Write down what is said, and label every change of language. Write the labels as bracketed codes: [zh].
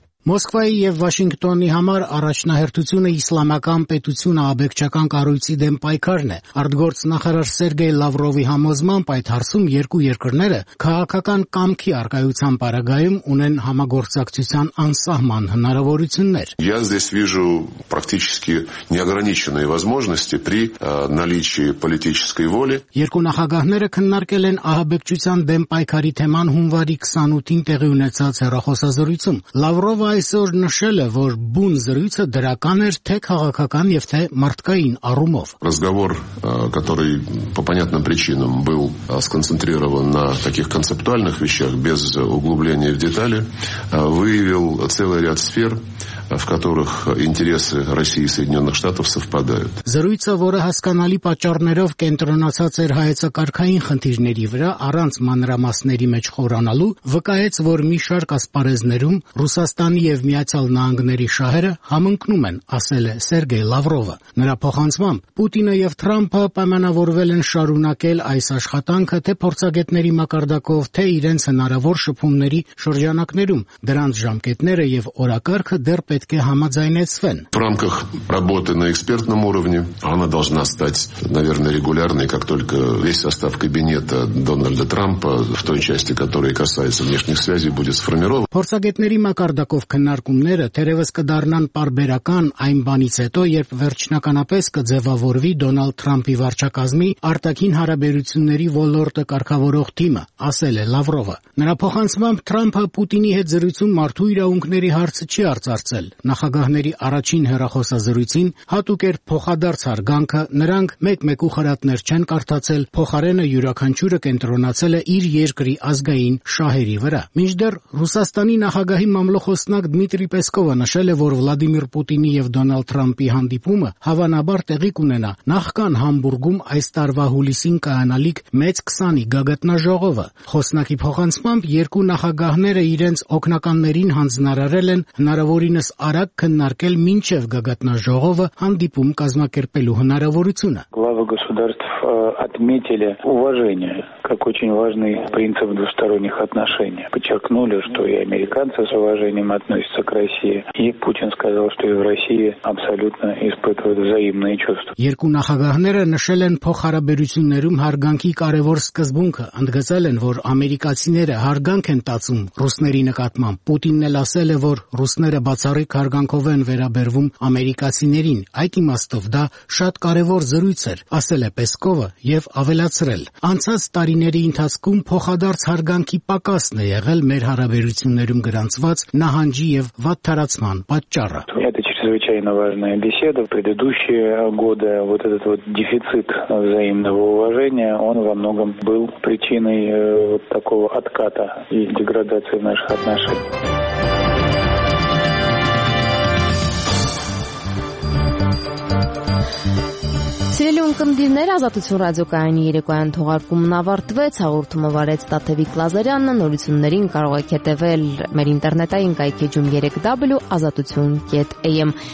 [hy] Մոսկվայի և Վաշինգտոնի համար առաջնահերթությունը իսլամական պետությունը ահաբեկչական կառույցի դեմ պայքարն է։ Արտգործնախարար Սերգեյ Լավրովի համոզմամբ այդ հարցում երկու երկրները քաղաքական կամքի առկայության պարագայում ունեն համագործակցության անսահման հնարավորություններ։ [ru] Я здесь вижу практически неограниченные возможности при наличии политической воли։ [hy] Երկու նախագահները քննարկել են ահաբեկչության դեմ պայքարի թեման հունվարի 28-ին տեղի ունեցած հեռախոսազրույցում։ Լավրով այսօր նշել է, որ բուն զրույցը դրական էր թե քաղաքական և թե մարդկային առումով։ [ru] Разговор, который по понятным причинам был сконцентрирован на таких концептуальных вещах без углубления в детали, выявил целый ряд сфер, в которых интересы России и Соединенных Штатов совпадают. [hy] Զրույցը, որը հասկանալի պատճառներով կենտրոնացած էր հայեցակարգային խնդիրների վրա առանց մանրամասների մեջ խորանալու, վկայեց, որ մի շարք ասպարեզներում Ռուսաստանի և Միացյալ Նահանգների շահերը համընկնում են, ասել է Սերգեյ Լավրովը։ Նրա փոխանցմամբ Պուտինը և Թրամփը պայմանավորվել են շարունակել այս աշխատանքը թե փորձագետների մակարդակով, թե իրենց հնարավոր շփումների շրջանակներում, դրանց ժամկետները և օրակարգը դեռ պետք է համաձայնեցվեն։ [ru] В рамках работы на экспертном уровне она должна стать, наверное, регулярной, как только весь состав кабинета Дональда Трампа в той части, которая касается внешних связей, будет сформирован։ [hy] Փորձագետների մակարդակով քննարկումները թերևս կդառնան պարբերական այն բանից հետո, երբ վերջնականապես կձևավորվի Դոնալդ Թրամփի վարչակազմի արտաքին հարաբերությունների ոլորտը կարգավորող թիմը, ասել է Լավրովը։ Նրա փոխանցմամբ Թրամփը Պուտինի հետ զրույցում մարդու իրավունքների հարցը չի արձակել։ Նախագահների առաջին հեռախոսազրույցին հատուկ էր փոխադարձ հարգանքը, նրանք մեկ-մեկու խրատներ չեն կարդացել, փոխարենը յուրաքանչյուրը կենտրոնացել է իր երկրի ազգային շահերի վրա։ Մինչդեռ Ռուսաստանի նախագահի մամլոխոսնակ Դմիտրի Պեսկովը նշել է, որ Վլադիմիր Պուտինի և Դոնալդ Թրամփի հանդիպումը հավանաբար տեղի կունենա նախքան Համբուրգում այս տարվա հուլիսին կայանալիք մեծ 20-ի գագաթնաժողովը։ Խոսնակի փոխանցմամբ երկու նախագահները իրենց օգնականներին հանձնարարել են հնարավորինս արագ քննարկել մինչև գագաթնաժողովը հանդիպում կազմակերպելու հնարավորությունը։ [ru] Главы государств отметили уважение как очень важный принцип двусторонних отношений. Подчеркнули, что и американцы с уважением относятся к России, и Путин сказал, что и в России абсолютно испытывают взаимные чувства. [hy] Երկու նախագահները նշել են փոխհարաբերություններում հարգանքի կարևոր սկզբունքը, ընդգծել են, որ ամերիկացիները հարգանք են տածում ռուսների նկատմամբ։ Պուտինն էլ ասել է, որ ռուսները բացառիկ հարգանքով են վերաբերվում ամերիկացիներին։ Այդ իմաստով դա շատ կարևոր զրույց էր, ասել է Պեսկովը և ավելացրել. Անցած տարիների ընթացքում փոխադարձ հարգանքի պակասն է եղել մեր հարաբերություններում գրանցված նահանջի և վատթարացման պատճառը։ [ru] Чрезвычайно важная беседа. В предыдущие годы вот этот вот дефицит взаимного уважения, он во многом был причиной вот такого отката и деградации наших отношений. [hy] Սիրելի ունկնդիրներ, Ազատություն ռադիոկայանի երեկոյան թողարկումն ավարտվեց, հաղորդումը վարեց Տաթևիկ Լազարյանը, նորություններին կարող եք հետևել մեր ինտերնետային կայքում 3w.azatutyun.am.